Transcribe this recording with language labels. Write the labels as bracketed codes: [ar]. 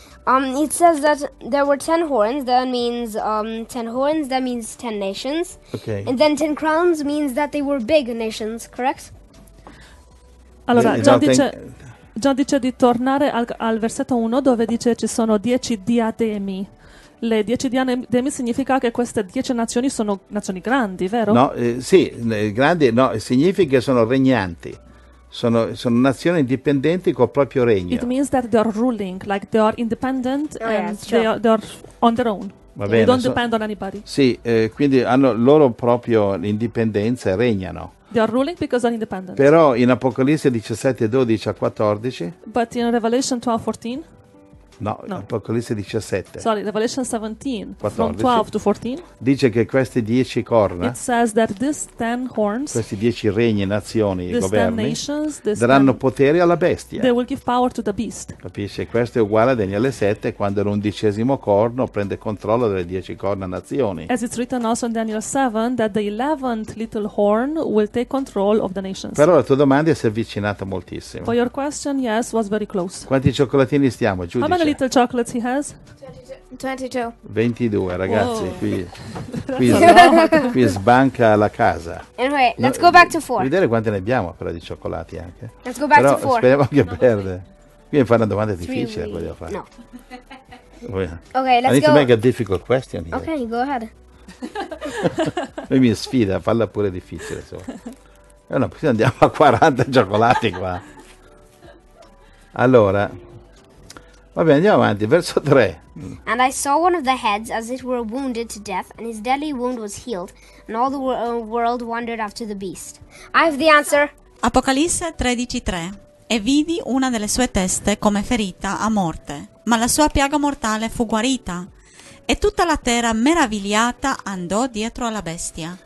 [en] It says that there were 10 horns, that means 10 horns, that means 10 nations. Okay. And then 10 crowns means that they were big nations, correct? [it] Allora, John dice di tornare al versetto 1 dove dice ci sono 10 diademi. Le 10 diademi significa che queste 10 nazioni sono nazioni grandi, vero? No, sì, grandi, no, significa che sono regnanti. Sono nazioni indipendenti col proprio regno. [en] It means that they are ruling, like they are independent they are on their own. [it] Va bene, [en] they don't depend on anybody. [it] Sì, quindi hanno loro proprio indipendenza e regnano. [en] They are ruling because they are independent. [it] Però in Apocalisse 17, 12 a 14. [en] But in Revelation 12, 14. [it] No, no. Apocalisse 17. [en] Sorry, Revelation 17. 14, from 12 to 14. [it] Dice che queste 10 corna. [en] It says that these 10 horns. [it] Questi 10 regni, nazioni, [en] these [it] governi. [en] These 10 nations. [it] Daranno potere alla bestia. [en] They will give power to the beast. [it] Capisci? Questo è uguale a Daniele 7, quando l'undicesimo corno prende controllo delle 10 corna nazioni. [en] As it's written also in Daniel 7, that the 11th little horn will take control of the nations. [it] Però la tua domanda si è avvicinata moltissimo. [en] For your question, yes, was very close. [it] Quanti cioccolatini stiamo, giudice? [en] How many little chocolates he has? 22. [it] 22, ragazzi, whoa. qui qui sbanca la casa. [en] Anyway, let's go back to 4. [it] Vedere quante ne abbiamo però di cioccolati anche. [en] Let's go back [it] però [en] to 4. [it] Speriamo che perde. Qui mi fa una domanda difficile, voglio fare. [en] No. Okay, let's I need go. To make a difficult question here. Okay, go ahead. [it] Lui mi sfida, falla pure difficile. Insomma. No, poi andiamo a 40 cioccolati qua. Allora. Vabbè, andiamo avanti, verso 3. [en] And I saw one of the heads as it were wounded to death, and his deadly wound was healed, and all the world wondered after the beast. I have the answer. [it] Apocalisse 13:3. E vidi una delle sue teste come ferita a morte, ma la sua piaga mortale fu guarita, e tutta la terra meravigliata andò dietro alla bestia.